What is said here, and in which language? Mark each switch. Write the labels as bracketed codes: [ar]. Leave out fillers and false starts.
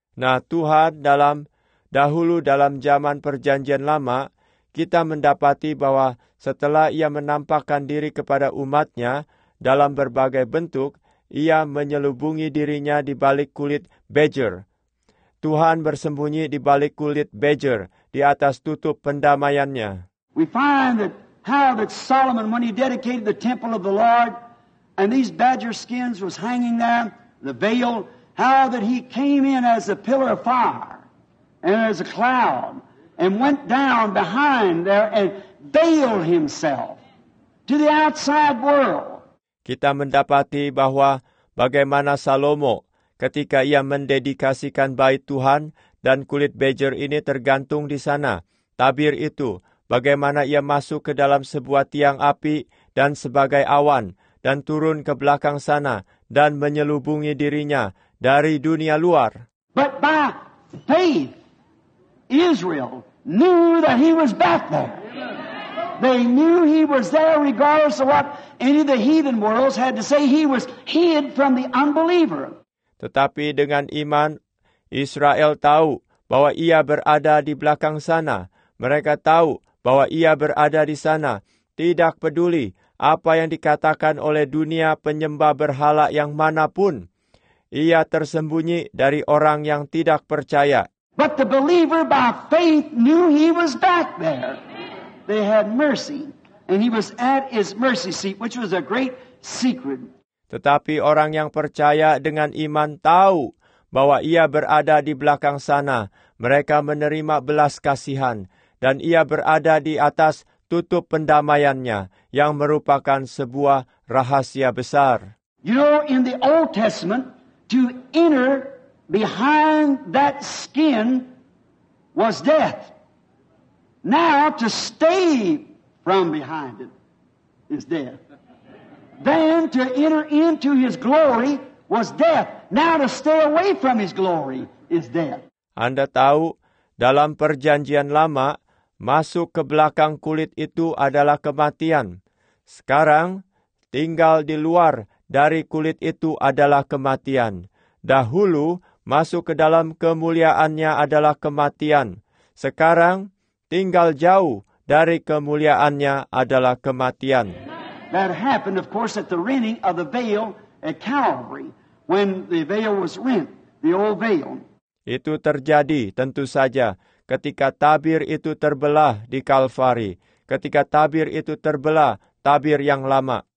[id] Nah, Tuhan dahulu dalam zaman perjanjian lama, kita mendapati bahwa setelah ia menampakkan diri kepada umatnya dalam berbagai bentuk, ia menyelubungi dirinya di balik kulit badger. Tuhan bersembunyi di balik kulit badger di atas tutup pendamaiannya. [en] We find that how that Solomon, when he dedicated the temple of the Lord, and these badger skins was hanging there, the veil, how that he came in as a pillar of fire and as a cloud, and went down behind there and veiled himself to the outside world. [id] kita mendapati bahwa bagaimana Salomo ketika ia mendedikasikan bait Tuhan dan kulit bejer ini tergantung di sana, tabir itu, bagaimana ia masuk ke dalam sebuah tiang api dan sebagai awan dan turun ke belakang sana dan menyelubungi dirinya dari dunia luar. [en] But by faith, Israel knew that he was back there. They knew he was there regardless of what any of the heathen worlds had to say. He was hid from the unbeliever. [id] Tetapi dengan iman, Israel tahu bahwa ia berada di belakang sana. Mereka tahu bahwa ia berada di sana. Tidak peduli apa yang dikatakan oleh dunia penyembah berhala yang manapun. Ia tersembunyi dari orang yang tidak percaya. [en] But the believer by faith knew he was back there. They had mercy, and he was at his mercy seat, which was a great secret. [id] Tetapi orang yang percaya dengan iman tahu bahwa ia berada di belakang sana. Mereka menerima belas kasihan, dan ia berada di atas tutup pendamaiannya, yang merupakan sebuah rahasia besar. [en] You know, in the Old Testament, to enter behind that skin was death. Now, to stay from behind it is death. Then, to enter into his glory was death. Now, to stay away from his glory is death. [id] Anda tahu, dalam perjanjian lama, masuk ke belakang kulit itu adalah kematian. Sekarang, tinggal di luar dari kulit itu adalah kematian. Dahulu, masuk ke dalam kemuliaannya adalah kematian. Sekarang, tinggal jauh dari kemuliaannya adalah kematian. [en] That happened, of course, at the rending of the veil at Calvary, when the veil was rent, the old veil. [id] Itu terjadi, tentu saja, ketika tabir itu terbelah di Calvary. Ketika tabir itu terbelah, tabir yang lama.